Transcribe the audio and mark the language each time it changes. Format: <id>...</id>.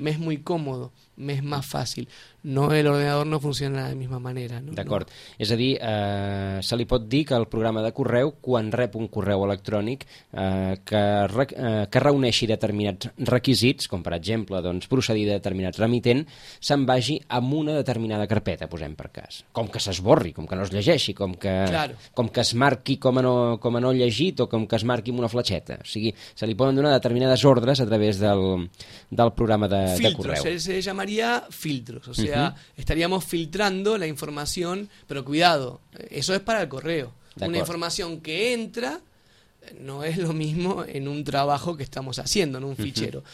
<es>me es muy cómodo, me es más fácil. No, el ordenador no funciona de la misma manera. No,</es> <ca>d'acord. No. És a dir, se li pot dir que el programa de correu, quan rep un correu electrònic que reuneixi determinats requisits, com per exemple doncs, procedir de determinat remitent, se'n vagi amb una determinada carpeta, posem per cas. Com que s'esborri, com que no es llegeixi, com que es marqui com a no llegit o com que es marqui amb una fletxeta. O sigui, se li poden donar determinades ordres a través del programa de correu.</ca> <es>Filtros, se llamaría filtros, o sea, estaríamos filtrando la información, pero cuidado, eso es para el correo. Una información que entra no es lo mismo en un trabajo que estamos haciendo, en un fichero.</es>